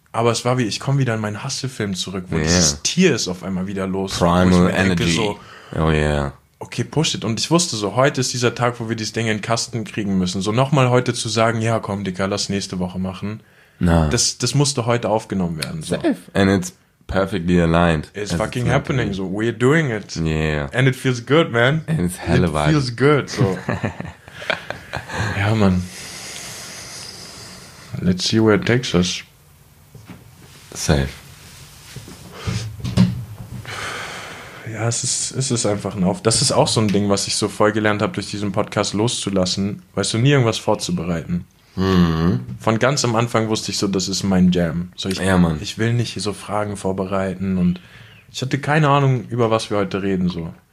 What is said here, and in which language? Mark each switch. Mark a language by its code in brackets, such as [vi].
[de] Aber es war wie, ich komme wieder in meinen Hustle-Film zurück, wo dieses Tier ist auf einmal wieder los. [en] Primal Energy. So, oh yeah. Okay, push it. [de] Und ich wusste so, heute ist dieser Tag, wo wir dieses Ding in den Kasten kriegen müssen. So nochmal heute zu sagen, ja komm, Dicker, lass nächste Woche machen. Na. Das musste heute aufgenommen werden. So. Safe. [en] And it's perfectly aligned. It's fucking happening. So, we're doing it. Yeah. And it feels good, man. And it's hella vibe. It feels good. So. [de] Ja, man. [en] Let's see where it takes us. Safe. [de] Ja, es ist einfach ein das ist auch so ein Ding, was ich so voll gelernt habe, durch diesen Podcast loszulassen, weißt du, nie irgendwas vorzubereiten. Mhm. Von ganz am Anfang wusste ich so, das ist mein Jam. So, ich will nicht so Fragen vorbereiten und ich hatte keine Ahnung, über was wir heute reden. So.